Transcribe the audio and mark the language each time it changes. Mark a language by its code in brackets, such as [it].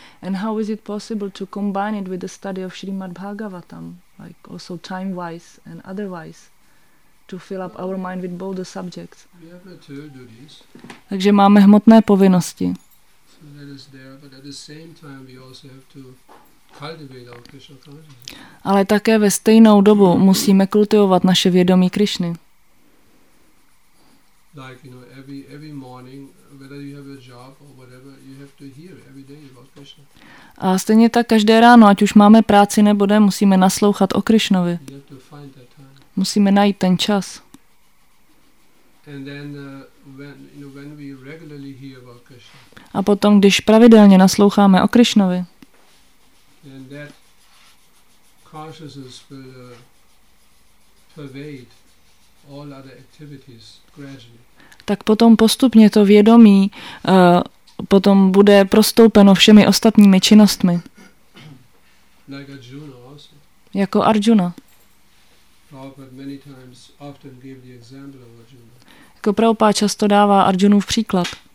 [en] And how is it possible to combine it with the study of Srimad Bhagavatam, like also time-wise and otherwise, to fill up our mind with both the subjects? We have material duties. [cs] Takže máme hmotné povinnosti. [en] So that is there, but at the same time we also have to cultivate our Krishna consciousness. [cs] Ale také ve stejnou dobu musíme kultivovat naše vědomí Krišny. [en] Like, you know, every morning, whether you have a job or whatever, you have to hear every day about Krishna. [cs] A stejně tak každé ráno, ať už máme práci nebo ne, musíme naslouchat o Krišnovi. [en] You have to find that time. [cs] Musíme najít ten čas. [en] And then when, you know, when we regularly hear about Krishna. [cs] A potom, když pravidelně nasloucháme o Krišnovi. [en] Then that consciousness will pervade all other activities gradually. [cs] Tak potom postupně to vědomí potom bude prostoupeno všemi ostatními činnostmi. [en] Like Arjuna also. [cs] Jako Arjuna. [en] Prabhupada many times often gave the example of Arjuna. [cs] Jako Prabhupada často dává Arjunův příklad.